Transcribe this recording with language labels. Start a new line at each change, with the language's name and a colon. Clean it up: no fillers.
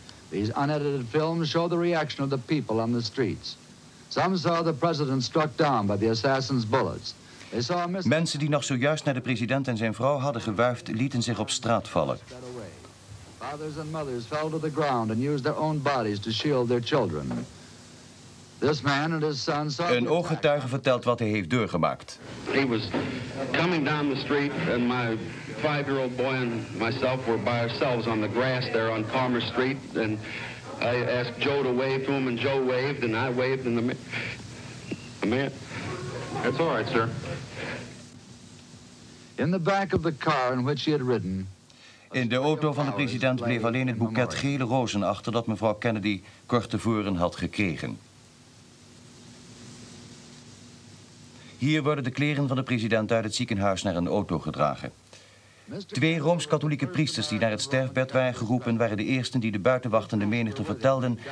English: These unedited films show the reaction of the people on the streets. Some saw the president struck down by the assassin's bullets.
Dutch: Mensen die nog zojuist naar de president en zijn vrouw hadden gewuifd, lieten zich op straat vallen.
English: Fathers and mothers fell to the ground and used their own bodies to shield their children. This man and his son saw.
Dutch: Een ooggetuige vertelt wat hij heeft doorgemaakt.
English: He was coming down the street and my 5-year-old boy and myself were by ourselves on the grass there on Palmer Street and I asked Joe to wave to him and Joe waved and I waved and the man. It's all right, sir. In the back of the car in which he had ridden.
Dutch: In de auto van de president bleef alleen het boeket gele rozen achter dat mevrouw Kennedy kort tevoren had gekregen. Hier worden de kleren van de president uit het ziekenhuis naar een auto gedragen. 2 Rooms-Katholieke priesters die naar het sterfbed waren geroepen... waren de eersten die de buitenwachtende menigte vertelden...